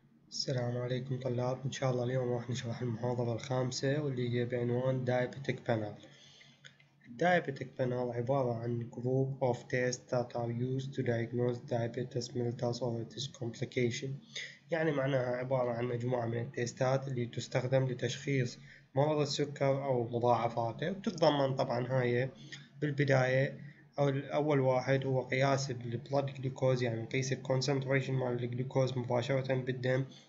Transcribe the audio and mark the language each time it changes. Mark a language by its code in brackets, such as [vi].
[ar] السلام عليكم طلاب، إن شاء الله اليوم راح نشرح المحاضرة الخامسة واللي هي بعنوان Diabetic Panel. [en] Diabetic Panel [ar] عبارة عن [en] group of tests that are used to diagnose diabetes mellitus or its complication. [ar] يعني معناها عبارة عن مجموعة من التيستات اللي تستخدم لتشخيص مرض السكر أو مضاعفاته، وتتضمن طبعا هاي بالبداية أو الأول واحد هو قياس الـ blood glucose، يعني نقيس الـ concentration مال الجلوكوز مباشرة بالدم.